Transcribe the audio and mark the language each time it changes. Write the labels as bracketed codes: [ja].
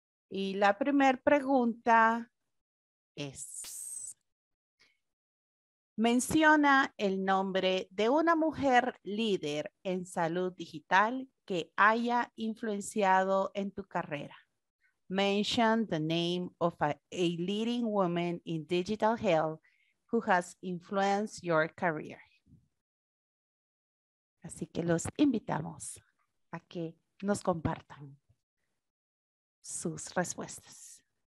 [es] Y la primera pregunta es: menciona el nombre de una mujer líder en salud digital que haya influenciado en tu carrera. [en] Mention the name of a leading woman in digital health who has influenced your career. [es] Así que los invitamos a que nos compartan sus respuestas.